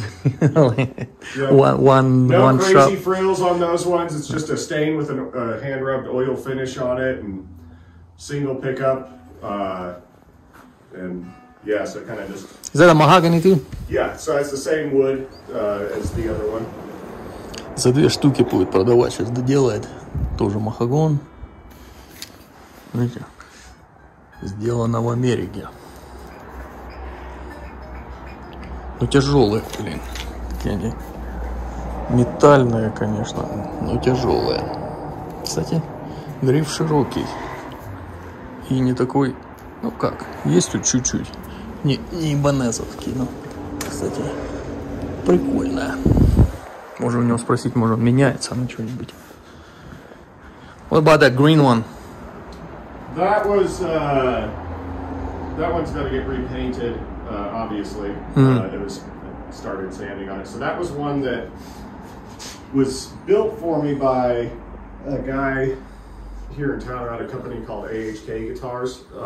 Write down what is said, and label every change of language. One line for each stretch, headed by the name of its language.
English: Crazy frills on those ones. It's just a stain with a hand-rubbed oil finish on it and single pickup. So it kind of just... Is that a mahogany too? Yeah, so it's the same wood as the other one.
Russian: За две штуки будет продавать, сейчас доделает. Тоже махагон. Видите? Сделано в Америке. Ну тяжелые, блин. Такие они. Метальные, конечно, но тяжелые. Кстати, гриф широкий. И не такой, ну как, есть тут чуть-чуть. Не ибанезовский, но, кстати, прикольно. Можем у него спросить, может он меняется на что-нибудь.
English: What about that green one? That was, that one's got to get repainted, obviously. Mm. It started sanding on it. So that was one that was built for me by a guy here in town at a company called AHK Guitars.